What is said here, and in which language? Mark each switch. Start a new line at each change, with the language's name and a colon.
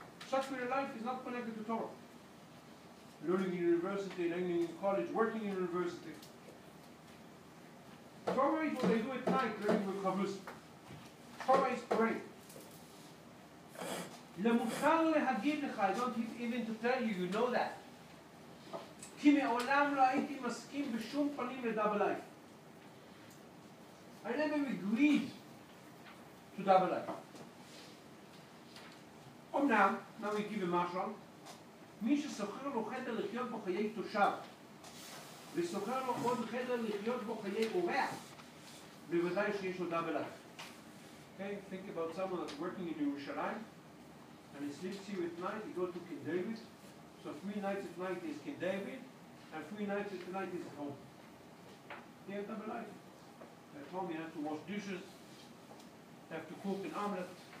English: Secular life is not connected to Torah. Learning in university, learning in college, working in university. Torah is what they do at night, learning with Chavrus. Torah is great. למותר להגיד לך, I don't need even to tell you, you know that.
Hebrew: כי מעולם לא הייתי מסכים בשום פנים לדאבל לייף.
English: I never agreed to דאבל לייף.
Hebrew: אמנם, מה הוא יגיד במשל? מי ששוכר לו חדר לחיות בו חיי תושב, ושוכר לו עוד חדר לחיות בו חיי אורח, בוודאי שיש לו דאבל לייף.
English: Okay, think about someone that's working in Yerushalayim. And he sleeps here at night, he goes to King David. So 3 nights at night is King David, and 3 nights at night is home. They have double life. At home you have to wash dishes, have to cook an omelette.